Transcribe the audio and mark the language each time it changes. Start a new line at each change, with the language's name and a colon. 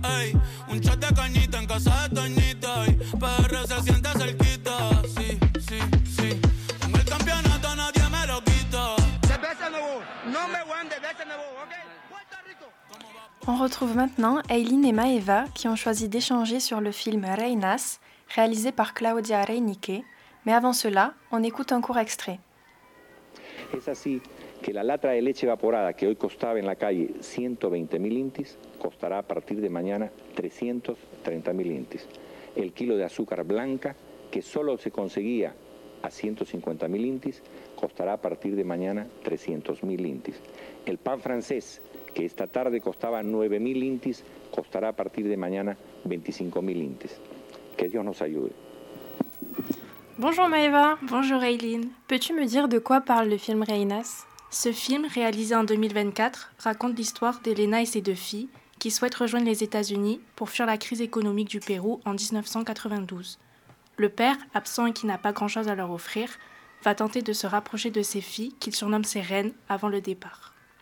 Spanish: Ey, un chat de cañita en casa de Toñita. Y PR se siente cerquita. Sí, sí, sí. En el campeonato nadie me lo quita. De ese nuevo, no me guande, de ese nuevo, ok.
French: On retrouve maintenant Eileen et Maeva qui ont choisi d'échanger sur le film Reinas, réalisé par Claudia Reinicke. Mais avant cela, on écoute un court extrait.
Spanish: Es así que la lata de leche evaporada que hoy costaba en la calle 120.000 intis costará a partir de mañana 330.000 intis. El kilo de azúcar blanca que solo se conseguía a 150.000 intis costará a partir de mañana 300.000 intis. El pan francés que esta tarde costaba 9.000 intis, costará a partir de mañana 25.000 intis. Que Dios nos ayude.
French: Bonjour Maeva. Bonjour Eileen. Peux-tu me dire de quoi parle le film Reinas? Ce film, réalisé en 2024, raconte l'histoire d'Elena et ses deux filles qui souhaitent rejoindre les États-Unis pour fuir la crise économique du Pérou en 1992. Le père, absent et qui n'a pas grand-chose à leur offrir, va tenter de se rapprocher de ses filles qu'il surnomme ses reines avant le départ.